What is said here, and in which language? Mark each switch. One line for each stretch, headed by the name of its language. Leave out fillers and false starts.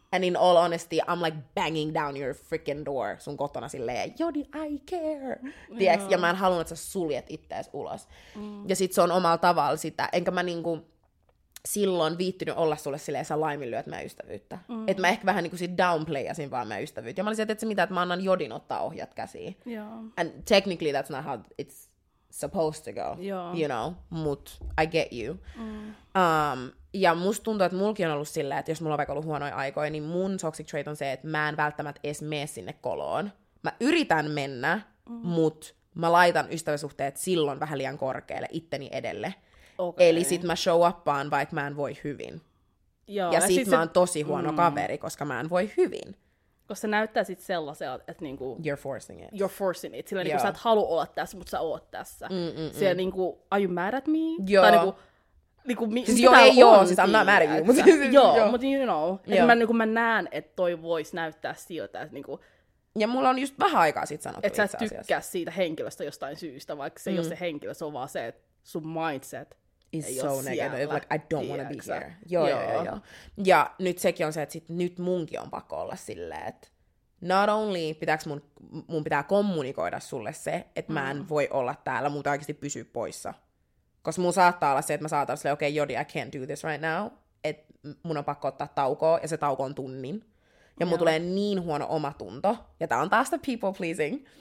English: And in all honesty, I'm like banging down your freaking door
Finnish: sun kotona silleen,
English: Jodi, I care. Yeah.
Finnish: Ja mä en halunnut, että sä suljet ittees ulos. Ja sit se on omalla tavalla sitä. Enkä mä niinku silloin viittynyt olla sulle silleen, sä laiminlyöt meidän ystävyyttä. Et mä ehkä vähän niinku sit downplayasin vaan meidän ystävyyttä. Ja mä olisin, että mitä, että mä annan Jodin ottaa ohjat käsiin.
English: Yeah. And technically that's not how it's supposed to go. Yeah. You know, mut I get you.
Finnish: Ja musta tuntuu, että mulki on ollut silleen, että jos mulla on vaikka ollut huonoja aikoja, niin mun toxic trait on se, että mä en välttämättä edes mene sinne koloon. Mä yritän mennä, mut mä laitan ystävyyssuhteet silloin vähän liian korkealle itteni edelle.
English: Okay.
Finnish: Eli sit mä show upaan, vaikka mä en voi hyvin. Joo, ja sit mä oon tosi huono kaveri, koska mä en voi hyvin. Koska se näyttää sit sellaiselta, että niinku...
English: You're forcing it.
Finnish: Sillä niinku sä et halua olla tässä, mut sä oot tässä. Sillä
English: niinku, are you mad at me?
Finnish: Joo. Tai niinku... Niinku, siis joo, ei joo, siis
English: I'm not mad at you.
Finnish: Mutta siis, joo, mutta
English: you know.
Finnish: Että mä, niin mä näen, että toi voisi näyttää siltä. Että, niin kuin, ja mulla on just vähän aikaa sit sanottu itse asiassa. Että sä tykkää siitä henkilöstä jostain syystä, vaikka se ei ole se henkilö, se on vaan se, että sun mindset
English: is so negative, like I don't want to be here.
Finnish: Joo. Ja nyt sekin on se, että sit nyt munkin on pakko olla silleen, että
English: not only
Finnish: pitääks mun pitää kommunikoida sulle se, että mä en voi olla täällä, mutta oikeasti pysyä poissa. Koska mun saattaa olla se, että mä saatan silleen, okei, Jodi,
English: I can't do this right now.
Finnish: Että mun on pakko ottaa taukoa, ja se tauko on tunnin. Ja mun tulee niin huono omatunto, ja tää on taas
English: the people pleasing.